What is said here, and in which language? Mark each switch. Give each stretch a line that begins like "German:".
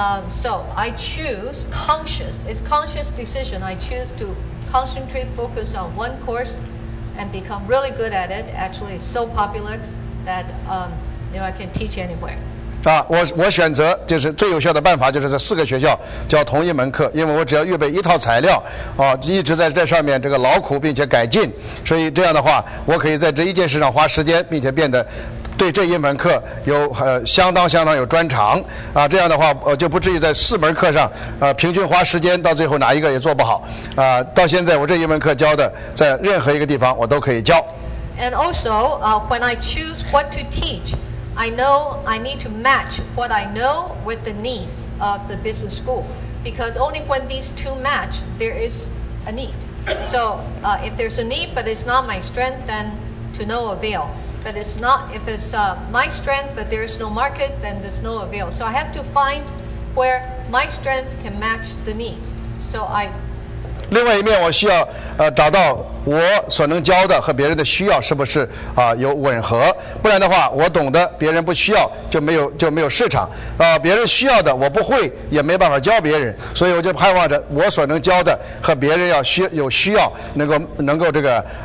English: So I choose conscious. It's conscious decision. I choose to. Concentrate, focus on one course, and become really good at it. Actually, it's so popular that you know I can teach anywhere.
Chinese: 啊，我选择就是最有效的办法，就是在四个学校教同一门课，因为我只要预备一套材料，啊，一直在这上面这个劳苦并且改进，所以这样的话，我可以在这一件事上花时间，并且变得对这一门课有相当有专长啊，这样的话就不至于在四门课上平均花时间，到最后哪一个也做不好啊。到现在我这一门课教的，在任何一个地方我都可以教。
English: And also, when I choose what to teach, I know I need to match what I know with the needs of the business school. Because only when these two match, there is a need. So, if there's a need, but it's not my strength, then to no avail. But it's not, if it's my strength, but there is no market, then there's no avail. So I have to find where my strength can match the needs. So I...
Chinese: 另外一面，我需要找到我所能教的和别人的需要是不是有吻合，不然的话，我懂得别人不需要就没有市场啊，别人需要的我不会也没办法教别人，所以我就盼望着我所能教的和别人要需要能够这个